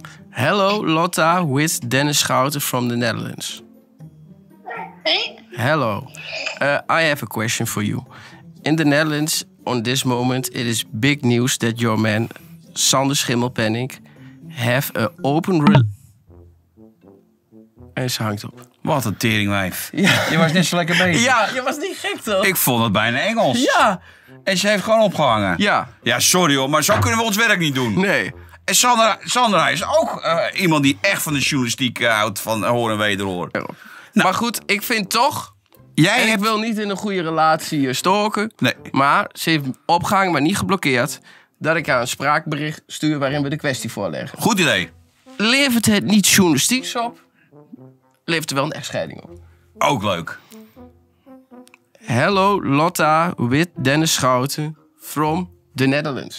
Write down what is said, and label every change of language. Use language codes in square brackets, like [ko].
[en] Hello, Lotta with Dennis Schouten from the Netherlands. Hey. Hello. I have a question for you. In the Netherlands, on this moment, it is big news that your man, Sander Schimmelpennink, have an open... [nl] En ze hangt op. Wat een teringwijf. Ja. Je was niet zo lekker bezig. Ja, je was niet gek toch? Ik vond het bijna Engels. Ja. En ze heeft gewoon opgehangen. Ja. Ja, sorry hoor, maar zo kunnen we ons werk niet doen. Nee. En Sandra is ook iemand die echt van de journalistiek houdt van hoor en wederhoor. Ja. Nou, maar goed, ik vind toch... Ik wil niet in een goede relatie stalken. Nee. Maar ze heeft opgehangen, maar niet geblokkeerd... dat ik haar een spraakbericht stuur waarin we de kwestie voorleggen. Goed idee. Levert het niet journalistieks op? Levert er wel een echtscheiding op? Ook leuk. [en] Hello, Lotta with Dennis Schouten from the Netherlands.